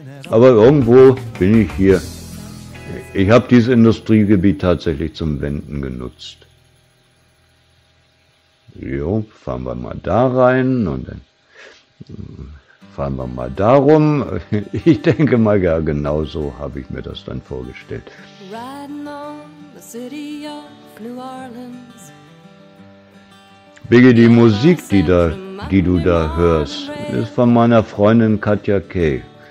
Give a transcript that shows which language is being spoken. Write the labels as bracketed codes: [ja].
[de] Aber irgendwo bin ich hier. Ich habe dieses Industriegebiet tatsächlich zum Wenden genutzt. Jo, fahren wir mal da rein und dann fahren wir mal da rum. Ich denke mal, ja, genau so habe ich mir das dann vorgestellt. [en] Riding on the city of New Orleans. [de] Biggie, die Musik, die du da hörst, ist von meiner Freundin Katja Kay.